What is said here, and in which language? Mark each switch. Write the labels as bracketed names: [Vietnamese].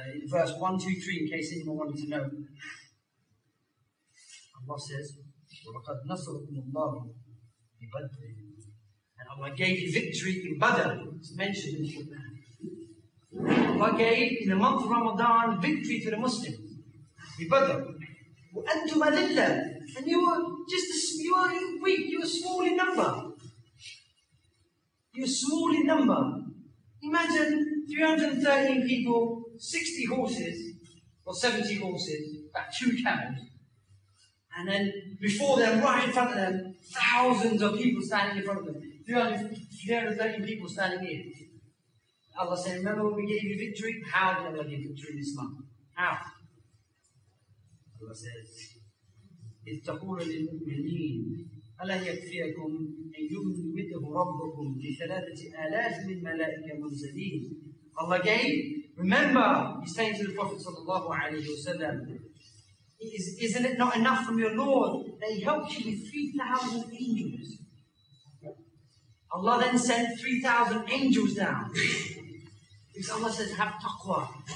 [English] Verse 1, 2, 3, in case anyone wanted to know. Allah says, [Arabic] وَلَقَدْ نَصَرُكُمُ اللَّهُ بِبَدْرٍ. [English] And Allah gave you victory in Badr. It's mentioned in the Quran. Allah gave, in the month of Ramadan, victory to the Muslim. [Arabic] بِبَدْرٍ. وَأَنْتُمْ أَذِلَّةٍ. [English] And you were just, you were weak, you were small in number. You were small in number. Imagine 313 people, 60 horses, or 70 horses, about 2 camels. And then before them, right in front of them, thousands of people standing in front of them. 313 people standing here. Allah said, remember when we gave you victory? How did Allah give victory this month? How? Allah says, [Arabic] إِذْ تَقُولَ لِلْمُؤْمِنِينَ أَلَنْ يَكْفِيَكُمْ أَنْ يُمِدَّهُ رَبُّكُمْ بِثَلَاثَةِ آلَافٍ مِنْ مَلَائِكَ مُنْزَلِينَ. [English] Allah gave, remember, he's saying to the Prophet sallallahu alayhi wa sallam, isn't it not enough from your Lord that he helped you with 3,000 angels? Allah then sent 3,000 angels down. Because Allah says, have taqwa.